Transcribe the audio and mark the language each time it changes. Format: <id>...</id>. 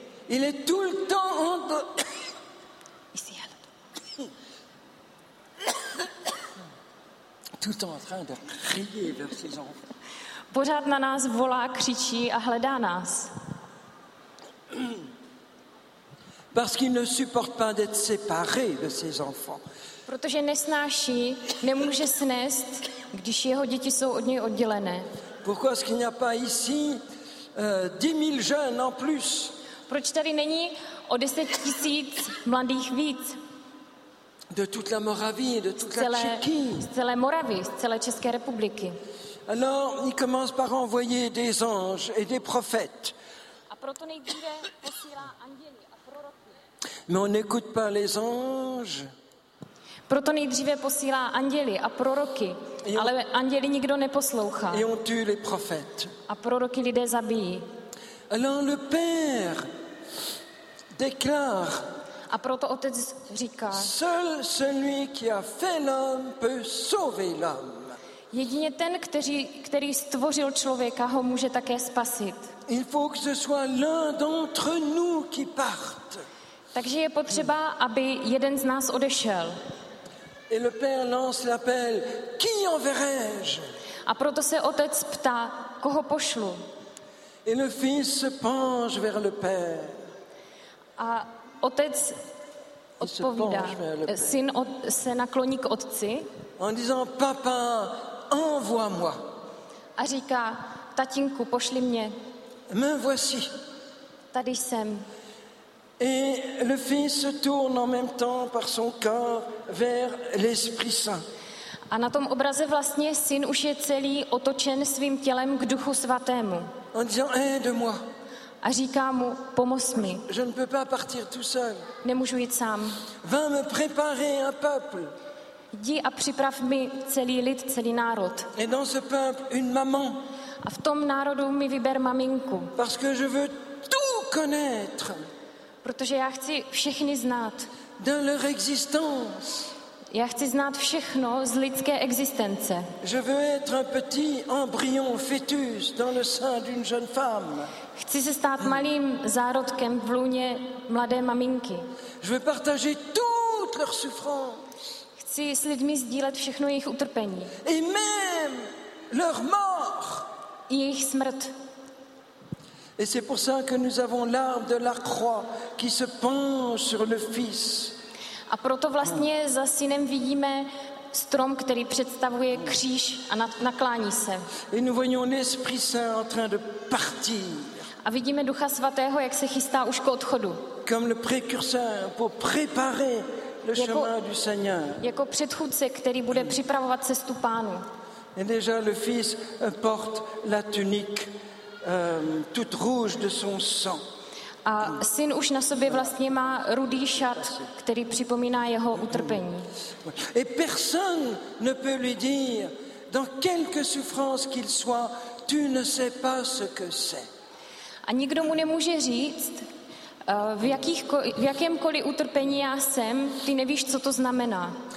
<fr>Il est tout le temps en train... Ici, Aleno. Tout le temps en train de crier vers ses enfants.</fr> <cs>Pořád na nás volá, křičí a hledá nás.</cs> <fr>Parce qu'il ne supporte pas d'être séparé de ses enfants.</fr> <cs>Protože nesnáší, nemůže snést, když jeho děti jsou od něj oddělené.</cs> <fr>Pourquoi est-ce qu'il n'y a pas ici 10 000 jeunes en plus?</fr> <cs>Proč tady není o 10 000 mladých víc?</cs> <fr>De toute la Moravie, de toute la Tchéquie.</fr> <cs>Z celé Moravy, z celé České republiky.</cs> <fr>Alors, il commence par envoyer des anges et des prophètes.</fr> <cs>A proto nejdříve posílá anděli a proroky.</cs> <fr>Mais on n'écoute pas les anges.</fr> <cs>Proto nejdříve posílá anděli a proroky, ale anděli nikdo neposlouchá.</cs> <fr>Et on tue les prophètes.</fr> <cs>A proroky lidé zabijí.</cs> <fr>Alors le père déclare.</fr> <cs>A proto otec říká.</cs> <fr>Seul celui qui a fait l'homme peut sauver l'homme.</fr> <cs>Jedině ten, který stvořil člověka, ho může také spasit.</cs> <fr>Il faut que ce soit l'un d'entre nous qui parte.</fr> <cs>Takže je potřeba, aby jeden z nás odešel.</cs> <fr>Et le père lance l'appel, qui enverrai-je?</fr> <cs>A proto se otec ptá, koho pošlu?</cs> <fr>Et le fils se penche vers le père.</fr> <cs>A otec odpovídá, syn se nakloní k otci.</cs> <fr>En disant, papa, envoie-moi.</fr> <cs>A říká, tatínku, pošli mě.</cs> <fr>Me voici.</fr> <cs>Tady jsem.</cs> <fr>Et le fils se tourne en même temps par son corps vers l'Esprit Saint.</fr> <cs>A na tom obraze vlastně syn už je celý otočen svým tělem k Duchu Svatému.</cs> <fr>En disant, aide-moi.</fr> <cs>A říká mu, pomoz mi.</cs> <fr>Je ne peux pas partir tout seul.</fr> <cs>Nemůžu jít sám.</cs> <fr>Va me préparer un peuple.</fr> <cs>Jdi a připrav mi celý lid, celý národ.</cs> <fr>Et dans ce peuple, une maman.</fr> <cs>A v tom národu mi vyber maminku.</cs> <fr>Parce que je veux tout connaître.</fr> <cs>Protože já chci všechny znát.</cs> <fr>De leur existence.</fr> <cs>Já chci znát všechno z lidské existence.</cs> <fr>Je veux être un petit embryon fœtus dans le sein d'une jeune femme.</fr> <cs>Chci se stát malým zárodkem v lůně mladé maminky.</cs> <fr>Je veux partager toutes leurs souffrances.</fr> <cs>Chci s lidmi sdílet všechno jejich utrpení.</cs> <fr>Et même leur mort.</fr> <cs>Jejich smrt.</cs> <fr>Et c'est pour ça que nous avons l'arbre de la croix qui se penche sur le fils.</fr> <cs>A proto vlastně za synem vidíme strom, který představuje kříž a naklání se.</cs> <fr>Et nous voyons l'Esprit Saint en train de partir.</fr> <cs>A vidíme Ducha Svatého, jak se chystá už k odchodu.</cs> <fr>Comme le précurseur pour préparer le chemin du Seigneur.</fr> <cs>Jako předchůdce, který bude připravovat cestu Pánu.</cs> <fr>Et déjà le fils porte la tunique toute rouge de son sang.</fr> <cs>A syn už na sobě vlastně má rudý šat, který připomíná jeho utrpení.</cs> <fr>Et personne ne peut lui dire dans quelque souffrance qu'il soit, tu ne sais pas ce que c'est.</fr> <cs>A nikdo mu nemůže říct, v jakémkoliv utrpení já jsem, ty nevíš, co to znamená.</cs>